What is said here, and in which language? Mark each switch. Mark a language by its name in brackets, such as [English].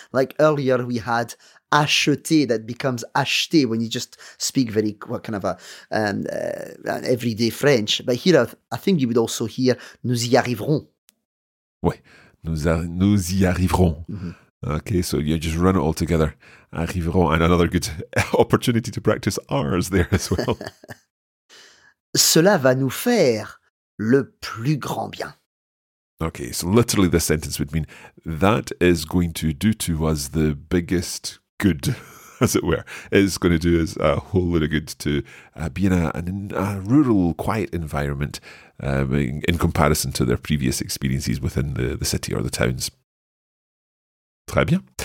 [English] Like earlier we had acheter, that becomes acheter when you just speak very, what kind of an everyday French. But here, I think you would also hear [French] nous y arriverons. Ouais, nous y arriverons. Mm-hmm. [English] Okay, so you just run it all together. Arriverons, and another good opportunity to practice R's there as well. [French] Cela va nous faire le plus grand bien. [English] Okay, so literally the sentence would mean that is going to do to us the biggest good, as it were. It's going to do us a whole lot of good to be in a rural, quiet environment in comparison to their previous experiences within the city or the towns. [French] Très bien.